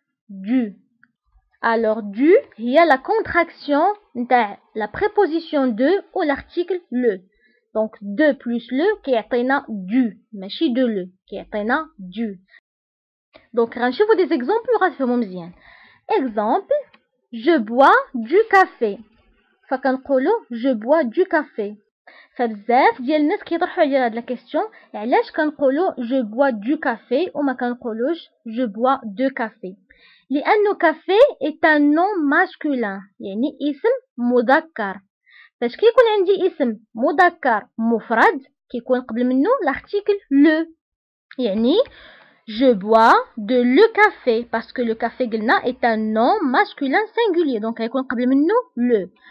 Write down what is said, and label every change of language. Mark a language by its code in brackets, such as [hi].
[ar] دو alors du هي لا كونتراكسيون نتاع لا بريبوزيسيون دو او لارتيكل لو. دونك دو بلس لو كيعطينا دو، ماشي دو لو كيعطينا دو. دونك غنشوفو دي زيكزامبل وغتفهمو مزيان. [fr] Exemple, je bois du café. [ar] فكنقولوا [fr] je bois du café. [ar] فبزاف ديال الناس كيطرحوا عليا هاد لا كيسيون، علاش كنقولوا [fr] je bois du café [ar] وما كنقولوش [fr] je bois de café؟ [ar] لانه [fr] café est un nom masculin، [ar] يعني اسم مذكر. فاش كيكون عندي اسم مذكر مفرد كيكون قبل منه لارتيكل le، يعني [fr] je bois de le café [ar] parce que le café قلنا [fr] est un nom masculin singulier، [ar] donc غيكون قبل منه le.